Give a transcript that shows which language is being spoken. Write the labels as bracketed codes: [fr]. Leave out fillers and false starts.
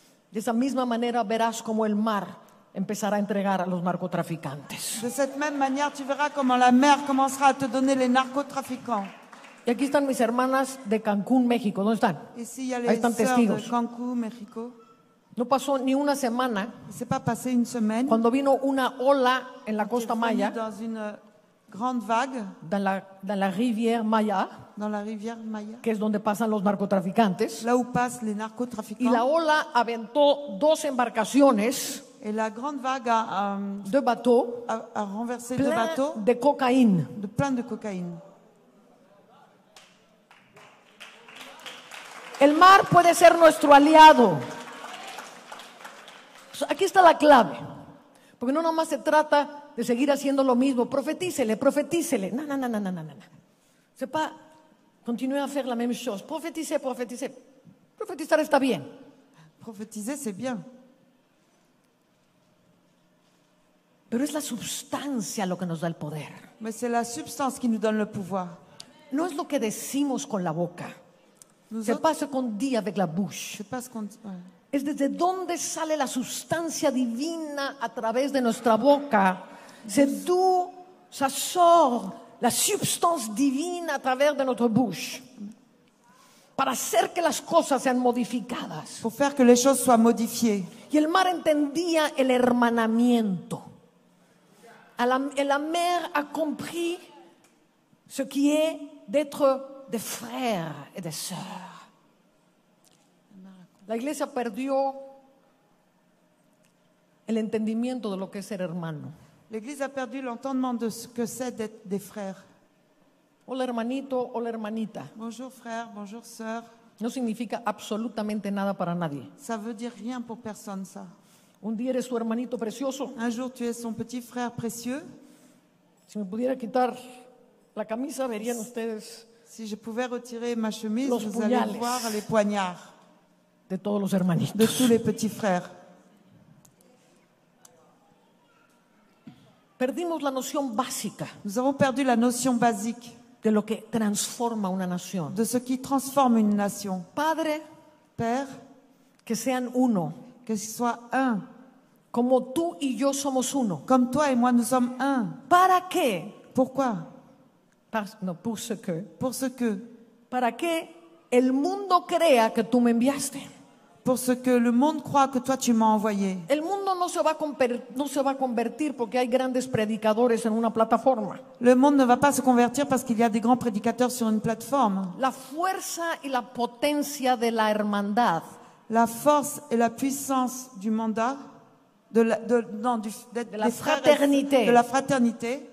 [es] De esa misma manera verás como el mar empezará a entregar a los narcotraficantes. [fr] De cette même manière, tu verras comment la mer commencera à te donner les narcotrafiquants. [es] Y aquí están mis hermanas de Cancún, México. ¿Dónde están? [fr] Ici, [es] y ahí están testigos. De Cancún, México. No pasó ni una semana. [fr] C'est pas passé une semaine. [es] Cuando vino una ola en la costa maya. [fr] Grande vague dans la rivière Maya, dans la rivière Maya, [es] que es donde pasan los narcotraficantes, [fr] là où passent les narcotrafiquants. [es] Y la ola aventó dos embarcaciones, [fr] et la grande vague a deux bateaux, a renversé deux bateaux de cocaïne, de plein de cocaïne. [es] El mar puede ser nuestro aliado. Aquí está la clave, porque no nomás se trata de seguir haciendo lo mismo. Profetícele. No. [fr] C'est pas continuer à faire la même chose. [es] Profetice. Profetizar está bien. [fr] Profetizar, c'est bien. [es] Pero es la sustancia lo que nos da el poder. [fr] Mais c'est la substance qui nous donne le pouvoir. [es] No es lo que decimos con la boca. [fr] Nous c'est autres... pas ce qu'on dit avec la bouche. C'est pas ce qu'on... [es] Es desde donde sale la sustancia divina a través de nuestra boca. [fr] C'est d'où ça sort la substance divine à travers de notre bouche. [es] Para hacer que las cosas sean modificadas. [fr] Pour faire que les choses soient modifiées. [es] Y el mar entendía el hermanamiento. [fr] La mer a compris ce qui est d'être des frères et des sœurs. [es] La iglesia perdió el entendimiento de lo que es ser hermano. [fr] L'Église a perdu l'entendement de ce que c'est d'être des frères. [es] Hola hermanito, hola hermanita. [fr] Bonjour frère, bonjour sœur. [es] No significa absolutamente nada para nadie. [fr] Ça veut dire rien pour personne, ça. [es] Un día eres su hermanito precioso. [fr] Un jour tu es son petit frère précieux. [es] Si me pudiera quitar la camisa, verían ustedes. [fr] Si je pouvais retirer ma chemise, vous allez voir les poignards. [es] De todos los hermanitos. [fr] De tous les petits frères. [es] Perdimos la noción básica. [fr] Nous avons perdu la notion basique [es] de lo que transforma una nación. [fr] De ce qui transforme une nation. [es] Padre, [fr] père, [es] que sean uno. [fr] Que soient un. [es] Como tú y yo somos uno. [fr] Comme toi et moi nous sommes un. [es] ¿Para qué? [fr] Pourquoi? Pour ce que. [es] ¿Para qué el mundo crea que tú me enviaste? [fr] Pour ce que le monde croit que toi tu m'as envoyé. [es] El mundo no se va a convertir porque hay grandes predicadores en una plataforma. [fr] Le monde ne va pas se convertir parce qu'il y a des grands prédicateurs sur une plateforme. [es] La fuerza y la potencia de la hermandad. [fr] La force et la puissance du mandat de la fraternité.